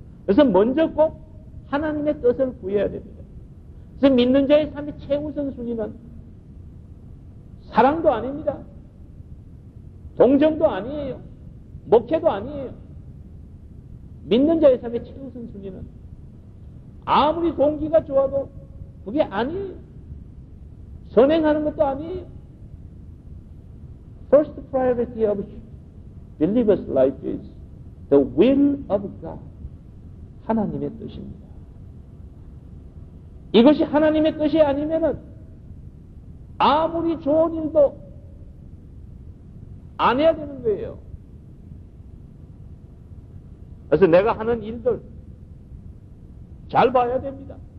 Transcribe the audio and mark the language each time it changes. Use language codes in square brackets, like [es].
[ko] 그래서 먼저 꼭 하나님의 뜻을 구해야 됩니다. 그래서 믿는 자의 삶의 최우선 순위는 사랑도 아닙니다. 동정도 아니에요. 목회도 아니에요. 믿는 자의 삶의 최우선 순위는 아무리 동기가 좋아도 그게 아니에요. 선행하는 것도 아니에요. [en] First priority of believer's life is the will of God. [ko] 하나님의 뜻입니다. 이것이 하나님의 뜻이 아니면은 아무리 좋은 일도 안 해야 되는 거예요. 그래서 내가 하는 일들 잘 봐야 됩니다.